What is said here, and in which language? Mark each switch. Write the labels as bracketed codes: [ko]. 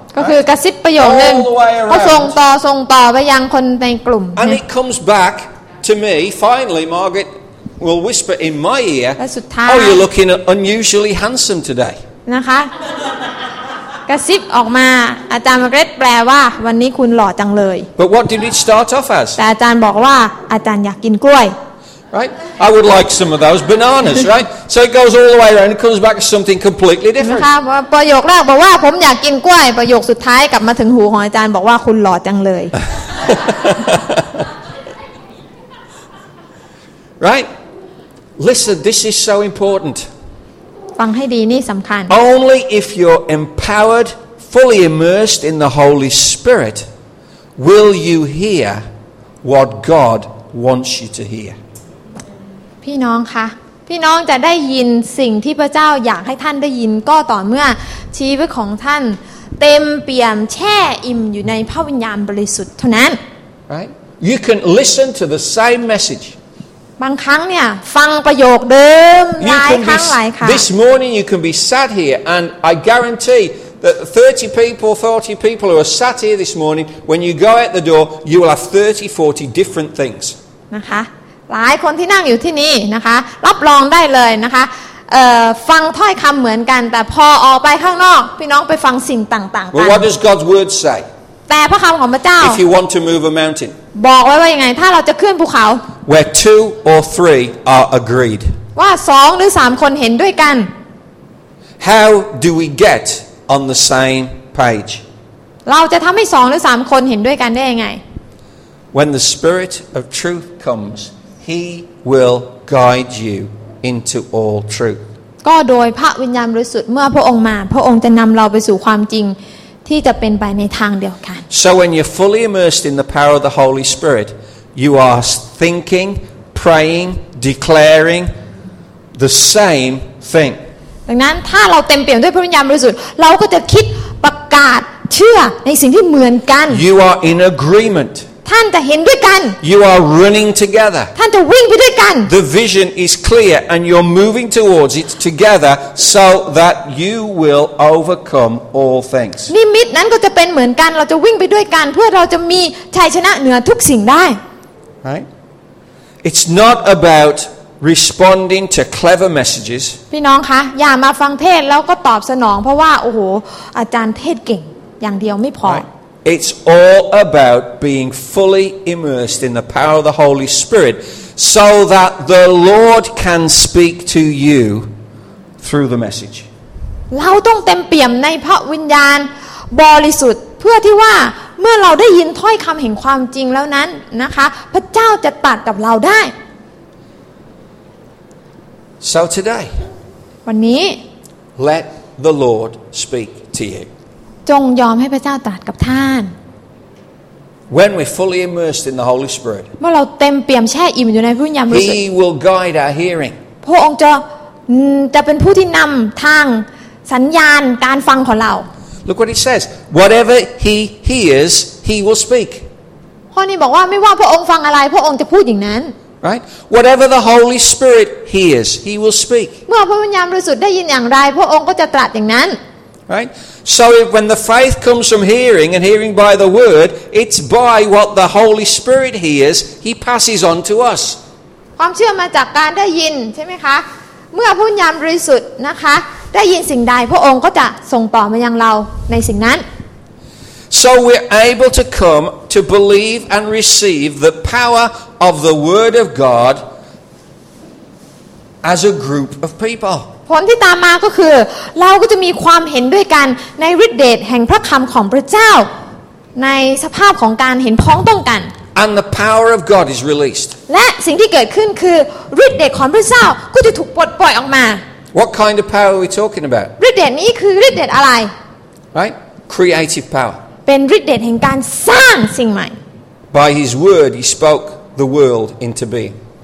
[th] ก็คือกระซิบประโยคนึงก็ส่งต่อไปยังคนในกลุ่ม [en] And it comes back to me. Finally, Margaret will whisper in my ear. [th] และสุดท้าย [en] Oh, you're looking unusually handsome today. [th] นะคะกระซิบออกมาอาจารย์มาร์เกร็ตแปลว่าวันนี้คุณหล่อจังเลย [en] But what did it start off as? [th] แต่อาจารย์บอกว่าอาจารย์อยากกินกล้วย [en] Right, I would like some of those bananas. Right, so it goes all the way around and comes back to something completely different. [th] ค่ะประโยคแรกบอกว่าผมอยากกินกล้วยประโยคสุดท้ายกลับมาถึงหูของอาจารย์บอกว่าคุณหล่อจังเลย [en] Right, listen. This is so important. [th] ฟังให้ดีนี่สำคัญ [en] Only if you're empowered, fully immersed in the Holy Spirit, will you hear what God wants you to hear. [th] พี่น้องคะพี่น้องจะได้ยินสิ่งที่พระเจ้าอยากให้ท่านได้ยินก็ต่อเมื่อชีวิตของท่านเต็มเปี่ยมแช่อิ่มอยู่ในพระวิญญาณบริสุทธิ์เท่านั้น [en] Right You can listen to the same message [th] บางครั้งเนี่ยฟังประโยคเดิมหลายครั้งหลายครั้ง [en] This morning you can be sat here and I guarantee that 30 people 40 people who are sat here this morning when you go out the door you will have 30 40 different things [th] นะคะหลายคนที่นั่งอยู่ที่นี่นะคะรับรองได้เลยนะคะฟังถ้อยคำเหมือนกันแต่พอออกไปข้างนอกพี่น้องไปฟังสิ่งต่างๆกัน [en] Well, what does God's word say? [th] แต่พระคำของพระเจ้า [en] If you want to move a mountain [th] บอกไว้ว่ายังไงถ้าเราจะขึ้นภูเขา [en] Where two or three are agreed [th] ว่า2หรือ3คนเห็นด้วยกัน [en] How do we get on the same page [th] เราจะทำให้2หรือ3คนเห็นด้วยกันได้ยังไง [en] When the spirit of truth comesHe will guide you into all truth. [th] ก็โดยพระวิญญาณบริสุทธิ์เมื่อพระองค์มาพระองค์จะนำเราไปสู่ความจริงที่จะเป็นไปในทางเดียวกัน [en] So when you're fully immersed in the power of the Holy Spirit, you are thinking, praying, declaring the same thing. [th] ดังนั้นถ้าเราเต็มเปี่ยมด้วยพระวิญญาณบริสุทธิ์เราก็จะคิดประกาศเชื่อในสิ่งที่เหมือนกัน [en] You are in agreement. [th] ท่านจะเห็นด้วยกัน [en] You are running together. [th] ท่านจะวิ่งไปด้วยกัน [en] The vision is clear and you're moving towards it together so that you will overcome all things. [th] นิมิตนั้นก็จะเป็นเหมือนกันเราจะวิ่งไปด้วยกันเพื่อเราจะมีชัยชนะเหนือทุกสิ่งได้ [en] Right. It's not about responding to clever messages. [th] พี่น้องคะอย่ามาฟังเทศแล้วก็ตอบสนองเพราะว่าโอ้โหอาจารย์เทศเก่งอย่างเดียวไม่พอ [en] Right. It's all about being fully immersed in the power of the Holy Spirit so that the Lord can speak to you through the message. [th] เราต้องเต็มเปี่ยมในพระวิญญาณบริสุทธิ์เพื่อที่ว่าเมื่อเราได้ยินถ้อยคำแห่งความจริงแล้วนั้นนะคะพระเจ้าจะตรัสกับเราได้ [en] So today [th] วันนี้ [en] Let the Lord speak to you [th] จงยอมให้พระเจ้าตรัสกับท่าน [en] When we're fully immersed in the Holy Spirit [th] เมื่อเราเต็มเปี่ยมแช่อิ่มอยู่ในพระวิญญาณบริสุทธิ์ [en] He will guide our hearing [th] พระองค์จะเป็นผู้ที่นำทางสัญญาณการฟังของเรา [en] Look what he says. Whatever he hears, he will speak. [th] ข้อนี้บอกว่าไม่ว่าพระองค์ฟังอะไรพระองค์จะพูดอย่างนั้น [en] Right? Whatever the Holy Spirit hears, he will speak. [th] เมื่อพระวิญญาณบริสุทธิ์ได้ยินอย่างไรพระองค์ก็จะตรัสอย่างนั้น [en] Right? So if when the faith comes from hearing and hearing by the word, it's by what the Holy Spirit hears, he passes on to us. [th] ความเชื่อมาจากการได้ยินใช่ไหมคะเมื่อพระวิญญาณบริสุทธิ์นะคะได้ยินสิ่งใดพระองค์ก็จะส่งต่อมายังเราในสิ่งนั้น [en] So we're able to come to believe and receive the power of the word of God as a group of people [th] ผลที่ตามมาก็คือเราก็จะมีความเห็นด้วยกันในฤทธิ์เดชแห่งพระคำของพระเจ้าในสภาพของการเห็นพ้องต้องกัน [en] And the power of God is released. [th] และสิ่งที่เกิดขึ้นคือฤทธิ์เดชของพระเจ้าก็จะถูกปลดปล่อยออกมา [en] What kind of power are we talking about? [th] ฤทธิ์เดชนี้คือฤทธิ์เดชอะไร [en] Right? Creative power. [th] เป็นฤทธิ์เดชแห่งการสร้างสิ่งใหม่ [en] By His word, He spoke the world into being.